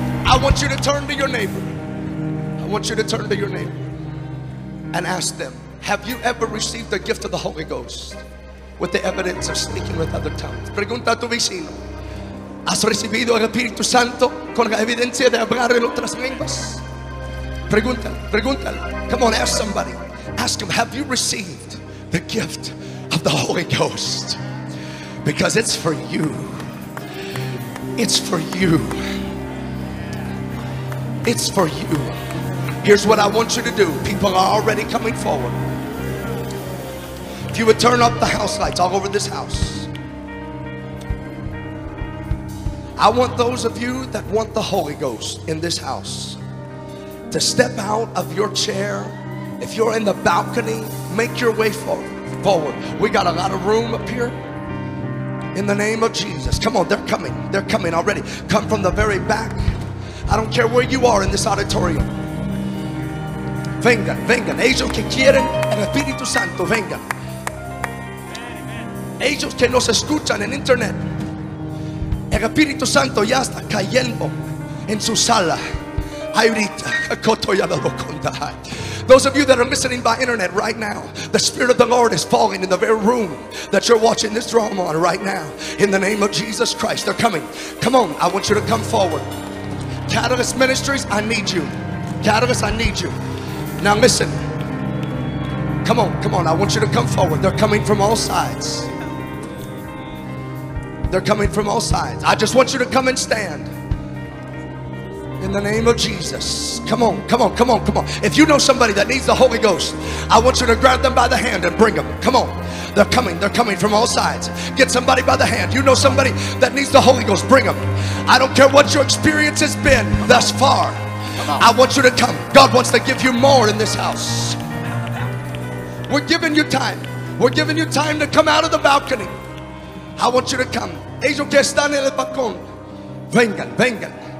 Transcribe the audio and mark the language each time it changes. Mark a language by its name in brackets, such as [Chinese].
[English] I want you to turn to your neighbor. I want you to turn to your neighbor and ask them, have you ever received the gift of the Holy Ghost with the evidence of speaking with other tongues? [Spanish] Pregunta a tu vecino. ¿Has recibido el Espíritu Santo con la evidencia de hablar en otras lenguas? Pregúntale. [English] Come on, ask somebody. Ask him, have you received the gift of the Holy Ghost? Because it's for you. It's for you. It's for you. Here's what I want you to do. People are already coming forward. If you would turn up the house lights all over this house. I want those of you that want the Holy Ghost in this house to step out of your chair. If you're in the balcony, make your way forward. We got a lot of room up here. In the name of Jesus. Come on, they're coming. They're coming already. Come from the very back. I don't care where you are in this auditorium. [Spanish] Vengan, vengan. Ellos que quieren el Espíritu Santo, vengan. Ellos que nos escuchan en internet. El Espíritu Santo ya está cayendo en su sala. [English] Those of you that are listening by internet right now, the Spirit of the Lord is falling in the very room that you're watching this drama on right now. In the name of Jesus Christ, they're coming. Come on, I want you to come forward. Catalyst Ministries, I need you. Catalyst, I need you. Now listen. Come on, come on. I want you to come forward. They're coming from all sides. They're coming from all sides. I just want you to come and stand. In the name of Jesus. Come on, come on, come on, come on. If you know somebody that needs the Holy Ghost, I want you to grab them by the hand and bring them. Come on. They're coming from all sides. Get somebody by the hand. You know somebody that needs the Holy Ghost, bring them. I don't care what your experience has been thus far. I want you to come. God wants to give you more in this house. We're giving you time. We're giving you time to come out of the balcony. I want you to come. [Spanish] Ellos que están en el balcón, vengan, vengan.